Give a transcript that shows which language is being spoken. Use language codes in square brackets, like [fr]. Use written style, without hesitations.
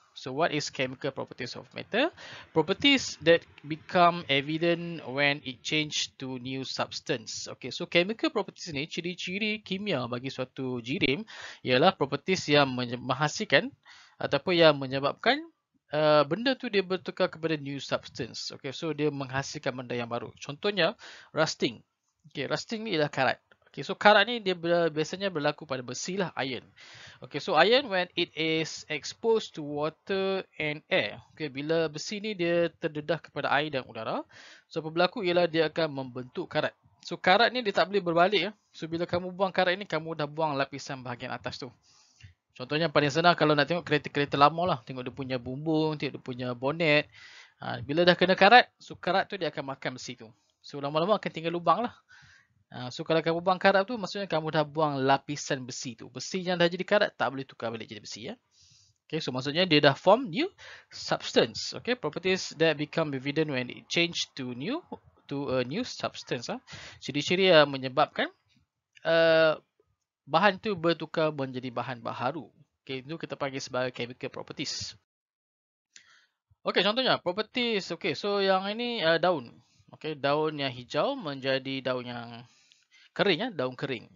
[en] So, what is chemical properties of matter? Properties that become evident when it change to new substance. [ms] Okay, so chemical properties ni, ciri-ciri kimia bagi suatu jirim ialah properties yang menghasilkan ataupun yang menyebabkan benda tu dia bertukar kepada new substance. Okay, so dia menghasilkan benda yang baru. Contohnya, rusting. Okay, rusting ni ialah karat. Okay, so karat ni dia biasanya berlaku pada besi lah, iron. [en] Okay, so iron when it is exposed to water and air. [ms] Okay, bila besi ni dia terdedah kepada air dan udara. So, apa berlaku ialah dia akan membentuk karat. So, karat ni dia tak boleh berbalik. So, bila kamu buang karat ni, kamu dah buang lapisan bahagian atas tu. Contohnya paling senang kalau nak tengok kereta-kereta lama lah. Tengok dia punya bumbung, tengok dia punya bonet. Bila dah kena karat, so karat tu dia akan makan besi tu. So, lama-lama akan tinggal lubang lah. So, kalau kamu buang karat tu, maksudnya kamu dah buang lapisan besi tu. Besi yang dah jadi karat, tak boleh tukar balik jadi besi. Ya? Okay, so, maksudnya dia dah [en] form new substance. Okay, properties that become evident when it change to new to a new substance. Ha? [ms] Ciri-ciri yang menyebabkan bahan tu bertukar menjadi bahan baharu. Okay, itu kita panggil sebagai chemical properties. Okay, contohnya, properties. Okay, so yang ini daun. Okay, daun yang hijau menjadi daun yang kering ya, daun kering.